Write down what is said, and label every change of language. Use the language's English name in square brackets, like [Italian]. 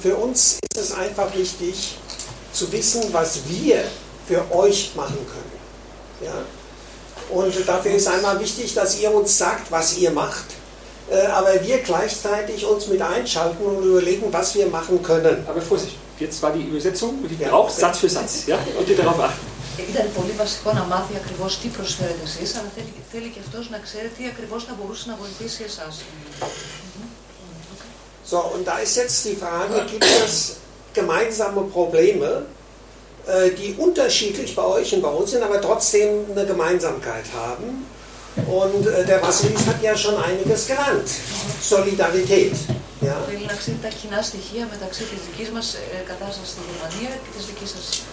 [German] Für uns ist es einfach wichtig, zu wissen, was wir für euch machen können. Ja? Und dafür ist einmal wichtig, dass ihr uns sagt, was ihr macht, aber wir gleichzeitig uns mit einschalten und überlegen, was wir machen können. Aber Vorsicht, jetzt war die Übersetzung und die braucht Satz für Satz. Ja? Und ihr darauf achten. [Greek] Ήταν πολύ βασικό να μάθει ακριβώς τι προσφέρετε εσείς, αλλά θέλει και αυτός να ξέρει τι ακριβώς θα μπορούσε να βοηθήσει εσάς. [German] So, und da ist jetzt die Frage, gibt es gemeinsame Probleme, die unterschiedlich bei euch und bei uns sind, aber trotzdem eine Gemeinsamkeit haben? Und der Vasilis hat ja schon einiges gelernt. Solidarität. [Greek] Θέλει να ξέρει τα κοινά στοιχεία μεταξύ της δικής μας κατάστασης στην Γερμανία και της δικής σας.